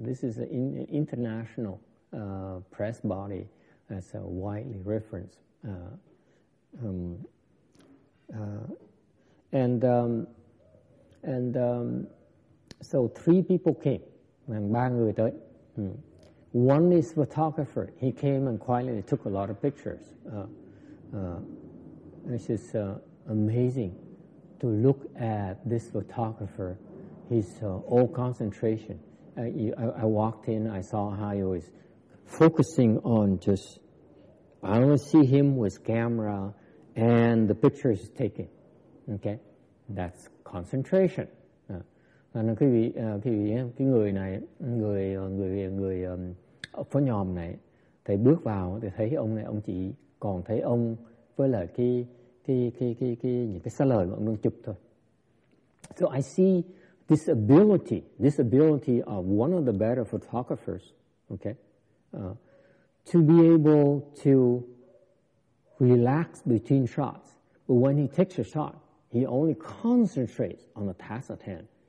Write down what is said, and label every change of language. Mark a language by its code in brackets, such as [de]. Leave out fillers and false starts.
[en] This is an international press body. That's a widely referenced. So three people came, and [vi] ba người tới. [en] One is photographer. He came and quietly took a lot of pictures. It's just amazing to look at this photographer, his all concentration. I walked in, I saw how he was focusing on just, I only see him with camera and the picture is taken. Okay? That's concentration. [vi] Cái người này, người phó nhòm này, thầy bước vào thì thấy ông này, ông chỉ còn thấy ông với lại cái những cái xá lợi mà ông đang chụp thôi. [en] So I see this ability of one of the better photographers, okay? To be able to relax between shots. But when he takes a shot, he only concentrates on the task at hand.